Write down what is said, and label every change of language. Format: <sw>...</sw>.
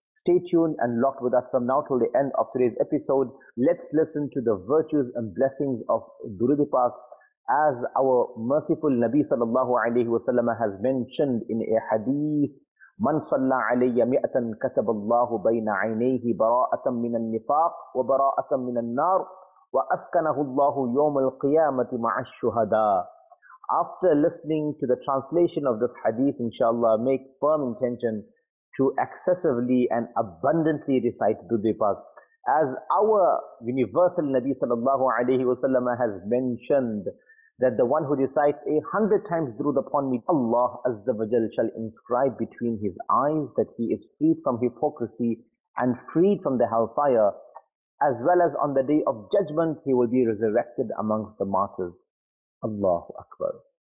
<en>Stay tuned and locked with us from now till the end of today's episode. Let's listen to the virtues and blessings of Durud-e Paak as our merciful Nabi sallallahu alayhi wa sallam has mentioned in a hadith.</en> <ar>من صلى علي مئة كتب الله بين عينيه براءة من النفاق وبراءة من النار وأسكنه الله يوم القيامة مع الشهداء.</ar> <en>After listening to the translation of this hadith, inshallah, make firm intention to excessively and abundantly recite Durud-e Paak. As our universal Nabi sallallahu alayhi wa sallam has mentioned that the one who recites 100 times durud upon me, Allah Azza wa Jal shall inscribe between his eyes that he is freed from hypocrisy and freed from the hellfire, as well as on the day of judgment he will be resurrected amongst the martyrs. Allahu Akbar.</en>